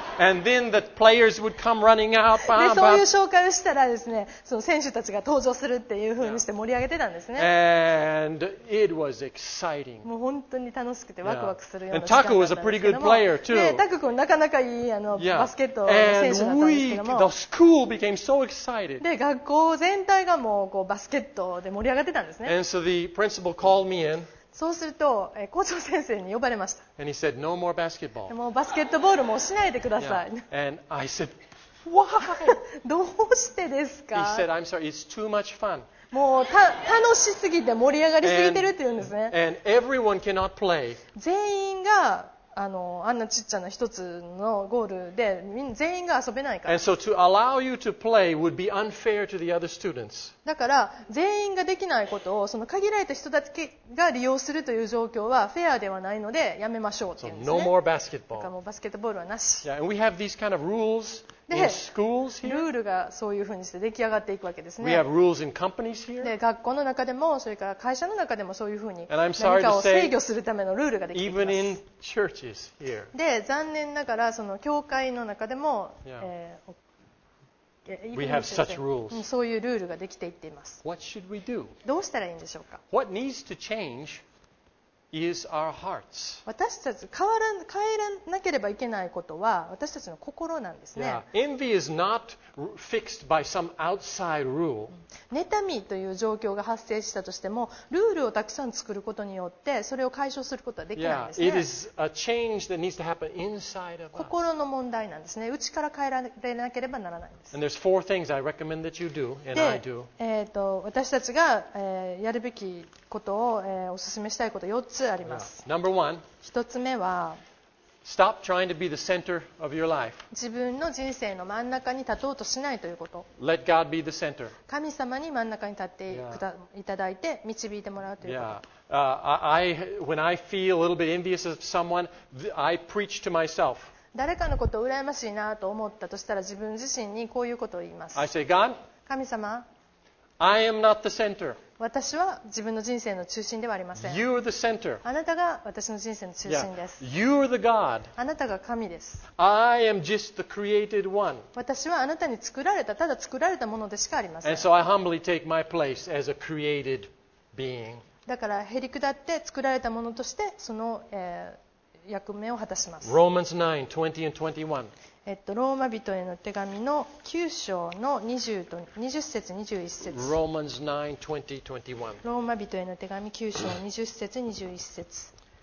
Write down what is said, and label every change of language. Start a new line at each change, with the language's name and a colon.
English: And then the players would come running out.
Japanese: でそういう紹介をしたらですね、その選手たちが登場するっていう風にして盛り上げてたんですね。
English: And it was exciting.
Japanese: もう本当に楽しくてワクワクするような時間だったんですけども、
English: and Taku was a pretty good player too.
Japanese: でタク君なかなかいいバスケットの選手だったんですけども、
English: and the school became so excited.
Japanese: で学校全全体がもうこうバスケットで盛り上がってたんですね。
English: And so the principal called me in.
Japanese: そうすると校長先生に呼ばれました。
English: And he said, no more basketball.
Japanese: もうバスケットボールもしないでください。
English: Yeah. And I said, why?
Japanese: どうしてですか？
English: He said, I'm sorry, it's too much fun.
Japanese: もう楽しすぎて盛り上がりすぎてるって言うんですね。
English: And everyone cannot play.
Japanese: 全員が、あんなちっちゃな一つのゴールで全員が遊べないから。
English: And so to allow you to play would be unfair to the other students.
Japanese: だから全員ができないことをその限られた人たちが利用するという状況はフェアではないのでやめましょうって言うんですね。
English: So no more basketball.
Japanese: だからもうバスケットボールはなし。
English: Yeah, and we have these kind of rules.
Japanese: でルールがそういうふうにして出来上がっていくわけですね。
English: We have rules in companies here.
Japanese: で学校の中でもそれから会社の中でもそういうふうに何かを制御するためのルールが出来ています。
English: Even in churches here.
Japanese: で残念ながらその教会の中でも、
English: We have such rules.
Japanese: そういうルールが出来ていっています。
English: What should we do?
Japanese: どうしたらいいんでしょうか。
English: What needs to change? Is our hearts.
Japanese: 私たち変えなければいけないことは私たちの心なんですね。
English: Yeah. Envy is not fixed by some outside rule.
Japanese: 妬みという状況が発生したとしてもルールをたくさん作ることによってそれを解消することはできないんですね。
English: Yeah. It is a change that needs to happen inside of us.
Japanese: 心の問題なんですね。内から変えられなければならないんです。
English: And there's four things I recommend that you do, and I do.
Japanese: 私たちが、やるべきことを、お勧めしたいこと4つあります。
English: Yeah. Number one.
Japanese: 一つ目は、
English: Stop trying to be the center of your life.
Japanese: 自分の人生の真ん中に立とうとしないということ。
English: Let God be the center.
Japanese: 神様に真ん中に立っていただいて、
English: yeah.
Japanese: 導いてもらうということ。
English: Yeah. When I feel a little bit envious of someone, I preach to myself.
Japanese: 誰かのことを羨ましいなと思ったとしたら、自分自身にこういうことを言います。
English: I say, God.
Japanese: 神様。
English: I am not the center.
Japanese: 私は自分の人生の中心ではありません。
English: You are the center.
Japanese: あなたが私の人生の中心です。
English: Yeah. You are the God.
Japanese: あなたが神です。
English: I am just the created one.
Japanese: 私はあなたに作られた、ただ作られたものでしかありません。
English: And so I humbly take my place as a created being.
Japanese: だから、へりくだって作られたものとしてその、役目を果たします。
English: Romans 9:20-21.
Japanese: ローマ人への手紙の9章の20節21節
English: Romans 9:20-21
Japanese: ローマ人への手紙9章20節21節